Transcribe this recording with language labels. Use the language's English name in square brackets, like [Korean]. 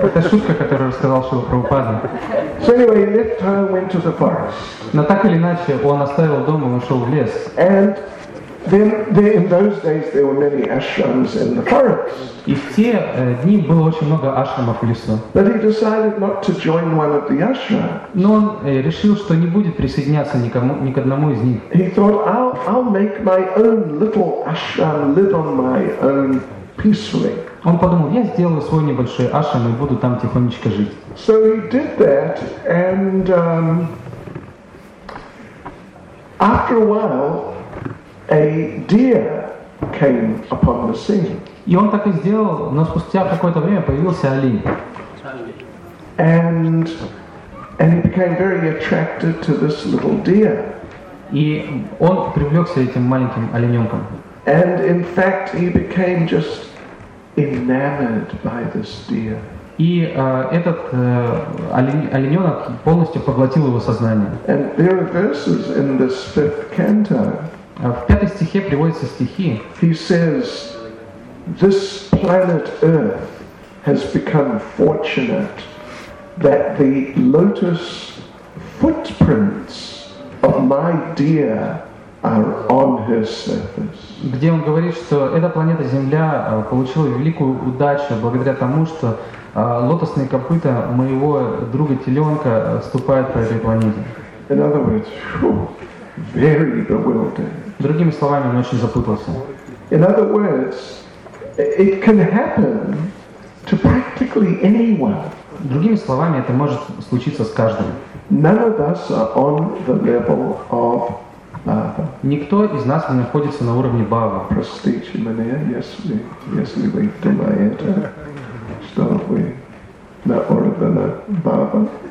[Russian] Это шутка, которую рассказал Шрила Прабхупада. [English] So anyway, he left home, went to the forest. [Russian] Но так или иначе, он оставил дом и ушел в лес. [English] And then, in those days, there were many ashrams in the forest. [Russian] И в те дни было очень много ашрамов в лесу. [English] But he decided not to join one of the ashrams. [Russian] Но он решил, что не будет присоединяться ни к одному из них. [English] He thought, I'll make my own little ashram, live on my own peacefully. [Russian] Он подумал, я сделаю свой небольшой ашрам и буду там тихонечко жить. [English] So he did that, and after a while, a deer came upon the scene. [Russian] И он так и сделал, но спустя какое-то время появился олень. [English] And he became very attracted to this little deer. [Russian] И он привлекся этим маленьким олененком. [English] And in fact, he became just enamored by this deer. [Russian] И этот олененок полностью поглотил его сознание. [English] And there are verses in this fifth canto. [Russian] В пятой стихе приводятся стихи. [English] He says, this planet Earth has become fortunate that the lotus footprints of my deer are on her surface. [Russian] Где он говорит, что эта планета Земля получила великую удачу благодаря тому, что лотосные копыта моего друга теленка ступают по этой планете. [English] In other words, very bewildered. [Russian] Другими словами, он очень запутался. [English] In other words, it can happen to practically anyone. [Russian] Другими словами, это может случиться с каждым. [English] None of us are on the level of [Russian] Никто из нас не находится на уровне Бхава. Простите меня, если вы думаете, что вы на уровне Бхава.